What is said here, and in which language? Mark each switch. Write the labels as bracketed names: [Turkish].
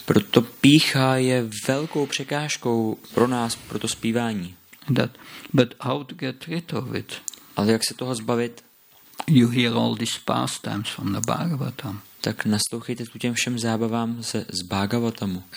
[Czech] Proto pícha je velkou překážkou pro nás, pro to zpívání. [English] That, but how to get rid of it? [Czech] Ale jak se toho zbavit? [English] You hear all these pastimes from the Bhagavatam. [Czech] Tak naslouchejte tu těm všem zábavám z Bhagavatamu.